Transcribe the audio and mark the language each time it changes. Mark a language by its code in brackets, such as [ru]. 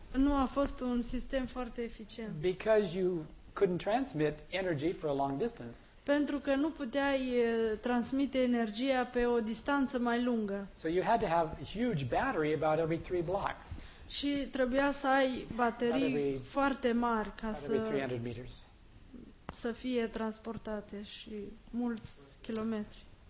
[ro] Nu a fost un sistem foarte eficient. [en] Because you couldn't transmit energy for a long distance. [ro] Pentru că nu puteai transmite energia pe o distanță mai lungă. [en] So you had to have a huge battery about every three blocks. [ro] Și trebuia să ai baterii foarte mari ca să [en] 300 meters. [ro] Să fie transportate și mulți kilometri.